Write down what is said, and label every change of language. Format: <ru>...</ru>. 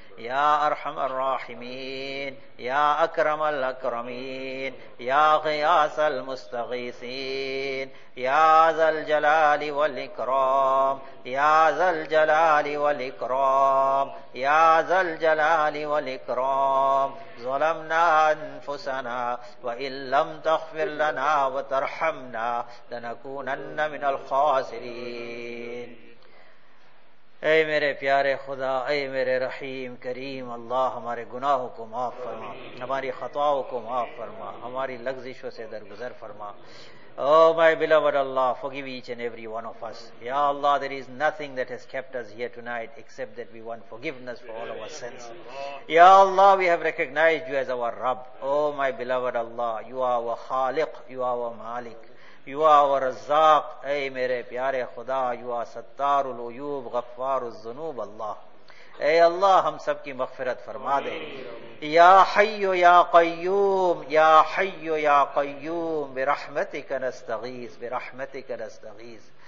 <ar>يا أرحم الراحمين يا أكرم الأكرمين يا غياث المستغيثين يا ذا الجلال والإكرام يا ذا الجلال والإكرام يا ذا الجلال والإكرام ظلمنا أنفسنا وإن لم تغفر لنا وترحمنا لنكونن من الخاسرين</ar> <ur>اے میرے پیارے خدا، اے میرے رحیم کریم اللہ، ہمارے گناہوں کو معاف فرما، ہماری خطاؤں کو معاف فرما، ہماری لغزشوں سے درگزر فرما.</ur> <en>Oh my beloved Allah, forgive each and every one of us. Ya Allah, there is nothing that has kept us here tonight except that we want forgiveness for all our sins. Ya Allah, we have recognized you as our Rabb. Oh my beloved Allah, you are our Khaliq, you are our Malik, you are our Razzaq.</en> <ur>Ay mere pyare Khuda,</ur> <en>you are Sattarul Uyub, Ghaffarul Zunub Allah.</en> <ur>اے اللہ ہم سب کی مغفرت فرما دے.</ur> <ar>یا حیو یا قیوم، یا حیو یا قیوم، برحمتک نستغیث، برحمتک نستغیث.</ar>